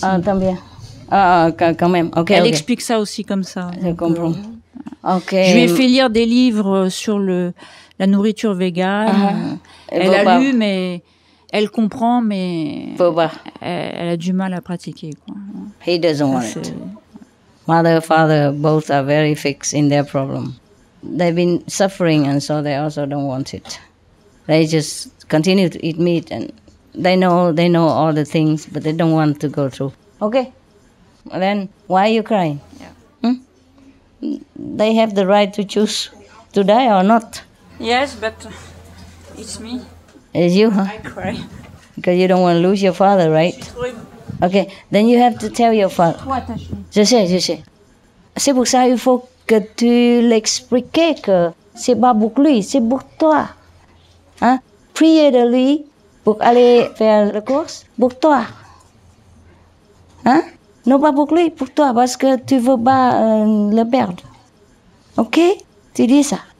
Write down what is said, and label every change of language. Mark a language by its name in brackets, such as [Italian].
[French] Ah, tant bien. Ah, quand même. Okay, elle okay. explique ça aussi comme ça. Je comprends. Okay. Je lui ai fait lire des livres sur la nourriture végane. Elle a lu, mais elle comprend, mais elle a du mal à pratiquer. Quoi. [English] He doesn't want it. Mother, father, both are very fixed in their problem. They've been suffering, and so they also don't want it. They just continue to eat meat, and they know all the things, but they don't want to go through. Okay, then why are you crying? Yeah. They have the right to choose to die or not. Yes, but it's me. It's you, huh? I cry. Because you don't want to lose your father, right? Okay, then you have to tell your father. [French] Je sais. C'est pour ça qu'il faut... que tu l'expliquais que c'est pas pour lui, c'est pour toi. Hein? Priez de lui pour aller faire la course pour toi. Hein? Non pas pour lui, pour toi, parce que tu veux pas le perdre. Ok? Tu dis ça.